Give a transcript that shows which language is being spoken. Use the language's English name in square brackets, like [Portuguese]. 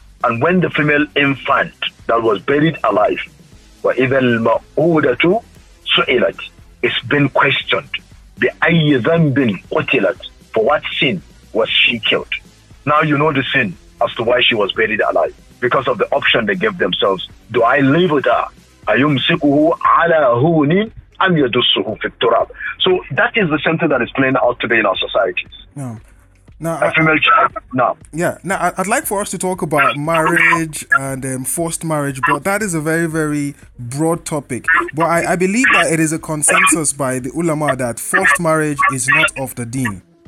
[English] And when the female infant that was buried alive, [Arabic] وَإِذَا الْمَعُودَةُ سُئِلَتْ, [English] it's been questioned, [Arabic] بِأَيِّ ذَنْبٍ قُتِلَتْ, [English] for what sin was she killed? Now you know the sin as to why she was buried alive, because of the option they gave themselves. Do I live with her? [Arabic] أَيُمْسِكُهُ عَلَىٰ هُونٍ أَمْ يَدُسُّهُ فِي التُّرَابِ. [English] So that is the center that is playing out today in our societies. I'd like for us to talk about marriage and forced marriage, but that is a very, very broad topic. But I believe that it is a consensus by the ulama that forced marriage is not of the deen.